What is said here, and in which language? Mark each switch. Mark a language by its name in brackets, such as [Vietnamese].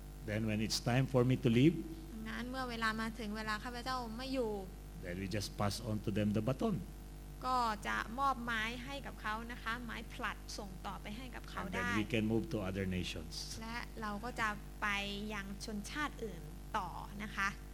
[English] Then when it's time for me to leave. [Thai] งั้นเมื่อเวลามาถึงเวลาข้าพเจ้าไม่อยู่ [English] Then we just pass on to them the baton. [Thai] ก็จะมอบไม้ให้กับเขานะคะไม้ผลัดส่งต่อไปให้กับเขาได้ [English] And then we can move to other nations [Thai] และเราก็จะไปยังชนชาติอื่นต่อนะคะ